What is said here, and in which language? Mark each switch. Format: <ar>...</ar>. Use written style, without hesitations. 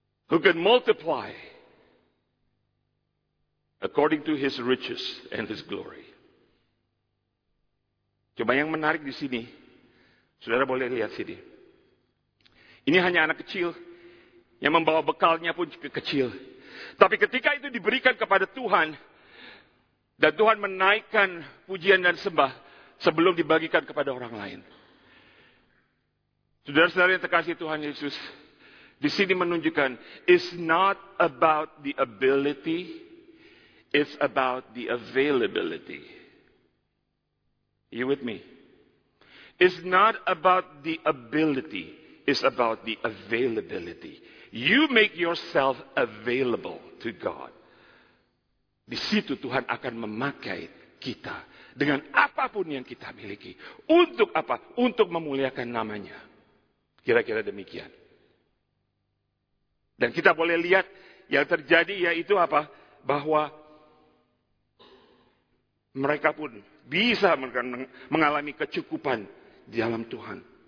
<en>Who can multiply according to his riches and his glory.</en> <id>Cuma yang menarik di sini, saudara boleh lihat sini. Ini hanya anak kecil yang membawa bekalnya pun kecil. Tapi ketika itu diberikan kepada Tuhan, dan Tuhan menaikkan pujian dan sembah sebelum dibagikan kepada orang lain. Saudara-saudara yang terkasih Tuhan Yesus, di sini menunjukkan,</id> <en>it's not about the ability, it's about the availability. You with me? It's not about the ability, it's about the availability. You make yourself available to God.</en> <id>Di situ Tuhan akan memakai kita dengan apapun yang kita miliki. Untuk apa? Untuk memuliakan namanya. Kira-kira demikian. Dan kita boleh lihat yang terjadi yaitu apa? Bahwa mereka pun bisa mengalami kecukupan di dalam Tuhan.</id>